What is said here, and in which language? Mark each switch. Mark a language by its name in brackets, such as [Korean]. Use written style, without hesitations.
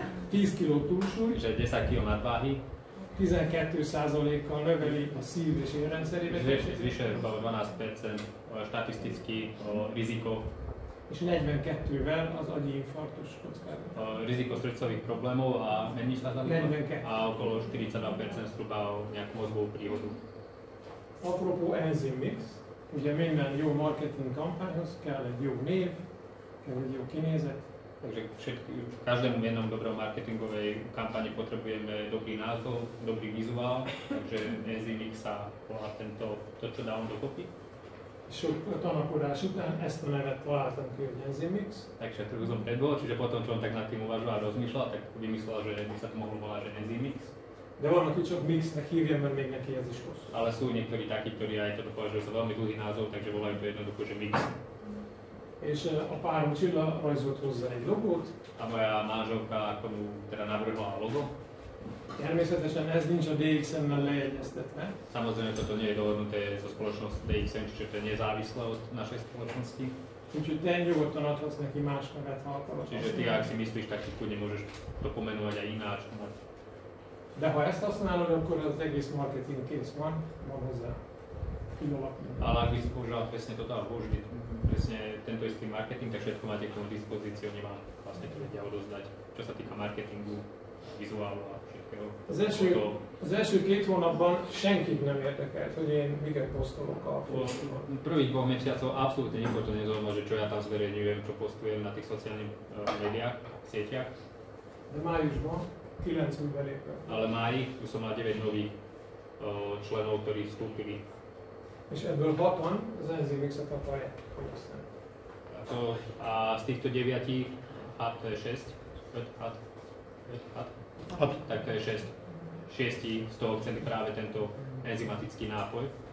[Hungarian] 10 kg túlsúly. [Slovak] És egy 10 kg nadváhy. [Hungarian] 12%-kal növeli a szív- és érrendszeri betegséget. [Slovak] Zvyšuje 12% a statisztikai riziko. [Hungarian] És 42-vel az agyi infarktus kockázata. [Slovak] A riziko srdcových problémov a [Hungarian] mennyi százalék? [Slovak] 42. A okolo 42% zhruba o nejakú mozgovú príhodu. [Hungarian] Apropó enzym mix, ugye minden jó marketing kampányhoz kell egy jó név, kell egy jó kinézet. [Slovak] Takže každému jednom dobrom marketingovej kampani potrebujeme dobrý názov, dobrý vizuál, takže enzym mix a to, čo dá on dokopy. [Hungarian] Sok tanakodás után ezt a nevet találtam ki, hogy Enzymix. [Slovak] Takže to som predbol, čiže potom, čo on tak nad tým uvažoval, rozmýšľal, tak vymyslel, že by sa to mohlo volať, že Enzymix. [Hungarian] De van, aki čo mixnek hívja, mert még neki ez is hosszú. [Slovak] Ale sú niektorí takí, ktorí aj toto považujú za veľmi dlhý názov, takže volajú to jednoducho, že mix. [Hungarian] És a párom Csilla rajzolt hozzá egy logót. [Slovak] A moja manželka akkor teda navrhla logo. [Hungarian] Természetesen ez nincs a DXM-mel lejegyeztetve. [Slovak] Samozrejme, toto nie je dohodnuté so spoločnosť DXM, čiže to je nezávislé od našej spoločnosti. [Hungarian] Úgyhogy te nyugodtan adhatsz neki más nevet, ha akarod. [Slovak] Čiže ty, ak si myslíš, tak si kudne môžeš to pomenúvať aj ináč. [Hungarian] De ha ezt használod, akkor az egész marketing kész van, van hozzá. [Slovak] Ale ak by si používal presne toto a použiť presne tento istý marketing, tak všetko máte k tomu dispozíciu, nemá vlastne to vedia odozdať, čo sa týka marketingu, vizuálu a všetkého. [Hungarian] Az első két hónapban senkit nem érdekelt, hogy én miket posztolok a Facebookon. [Slovak] Prvých dvoch mesiacov abszolút nikto to nezaujíma, že čo ja tam zverejňujem, čo postujem na tých sociálnych médiách, sieťach. [Hungarian] De májusban 9 új belépő. [Slovak] Ale máji, tu som mal 9 nových členov, ktorí vstúpili. [Hungarian] És ebből 6-an az Enzymix-et akarják fogyasztani. [Slovak] A z týchto 9-tich, 6 to je 6, 5, 6, 5, 6, tak to je 6. 6-ti z toho chceli práve tento enzymatický nápoj.